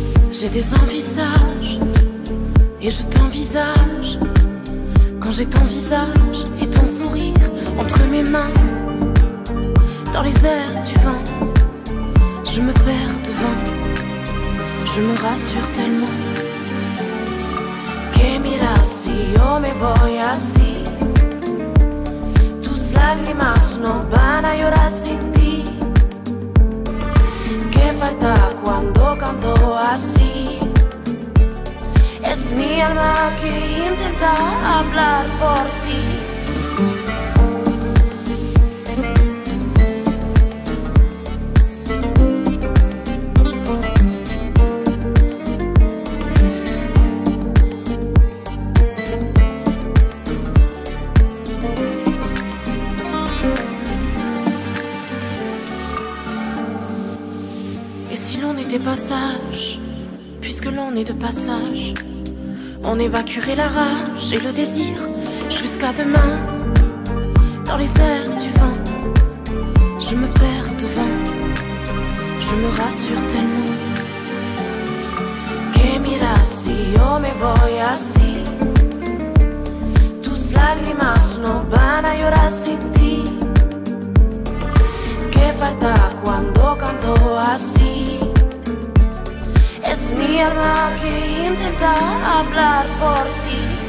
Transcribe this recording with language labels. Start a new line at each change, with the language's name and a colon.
French: J'ai des envies sages et je t'envisage. Quand j'ai ton visage et ton sourire entre mes mains, dans les airs du vent, je me perds devant, je me rassure tellement.
Spanish: Que miras si yo me voy así, tus lágrimas no van a llorar sin ti. Que falta cuando canto así, es mi alma que intenta hablar por ti.
French: Passage, puisque l'on est de passage, on évacuerait la rage et le désir jusqu'à demain. Dans les airs du vent, je me perds devant, je me rassure tellement.
Spanish: Que miras si yo me voy así, tus lágrimas no van a llorar sin ti. Que falta cuando canto así, es mi alma que intenta hablar por ti.